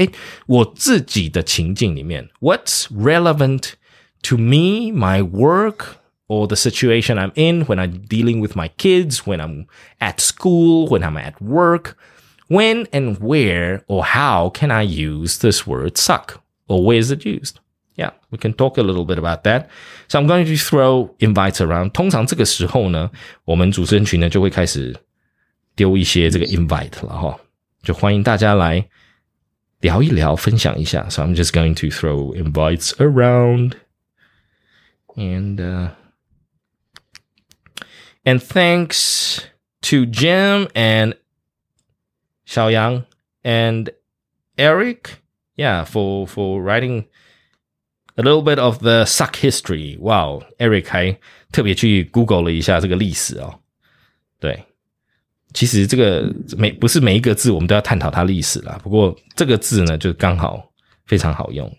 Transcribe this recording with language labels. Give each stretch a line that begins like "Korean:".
Chinese: 诶，我自己的情境里面
English: What's relevant to me, my work, or the situation I'm in when I'm dealing with my kids, when I'm at school, when I'm at work, when and where or how can I use this word suck, or where is it used? Yeah, we can talk a little bit about that. So I'm going to throw invites around.
Chinese: 通常这个时候呢，我们主持人群呢就会开始丢一些这个 invite 了哈，就欢迎大家来聊一聊，分享一下。
English: So I'm just going to throw invites around. And thanks to Jim and 小杨 and Eric, yeah, for writing a little bit of the suck history.
Chinese: Wow, Eric 还特别去 Google 了一下这个历史哦。对，其实这个每不是每一个字我们都要探讨它历史啦，不过这个字呢就刚好非常好用。